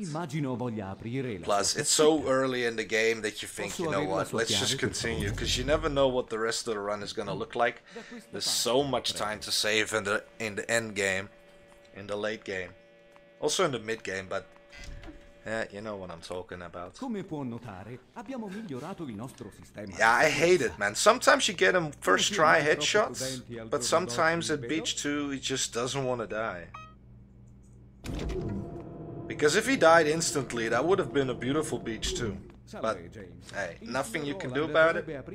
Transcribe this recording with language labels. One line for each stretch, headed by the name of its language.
Italian: Immagino voglia aprire.
English: Plus, it's so early in the game that you think, you know what? Let's just continue, because you never know what the rest of the run is gonna look like. There's so much time to save in the end game, in the late game, also in the mid game, but. You know what I'm talking about.
Italian: Come può notare, abbiamo migliorato il nostro sistema.
English: Yeah, I hate it, man. Sometimes you get him first try headshots, but sometimes at Beach 2 he just doesn't want to die. Because if he died instantly, that would have been a beautiful Beach 2. But hey, nothing you can do about it.